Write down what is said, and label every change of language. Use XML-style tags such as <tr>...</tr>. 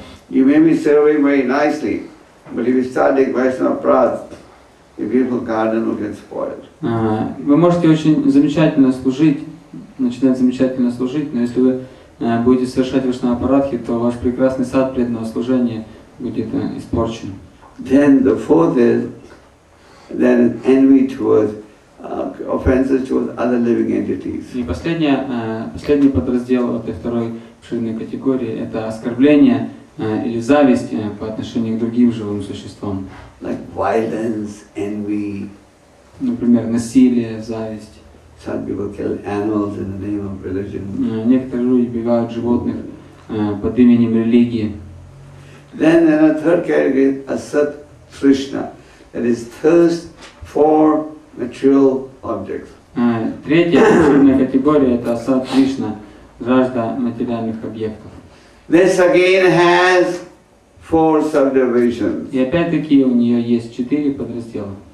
<en>You may be serving very nicely, but if you start doing Vaishnava Prat, the beautiful garden will get spoiled.</en> <ru>Вы можете очень замечательно служить, начинать замечательно служить, но если вы будете совершать Вайшнава Парадхи, то ваш прекрасный сад преданного служения будет испорчен.</ru> <en>Then the fourth is then envy towards offenses towards other living entities.</en> <ru>И последний подраздел этой второй обширной категории – это оскорбление или зависть по отношению к другим живым существам.</ru> <en>Like violence, envy.</en> <ru>Например, насилие, зависть.</ru> <en>Some people kill animals in the name of religion.</en> <ru>Некоторые люди убивают животных под именем религии.</ru> <en>Then in a third category, asat trishna, that is thirst for material objects.</en> <ru>Третья обширная категория – это асат трishna. Жажда материальных объектов.</ru> <en>This again has four subdivisions.</en> <ru>И опять-таки у нее есть четыре подраздела.</ru>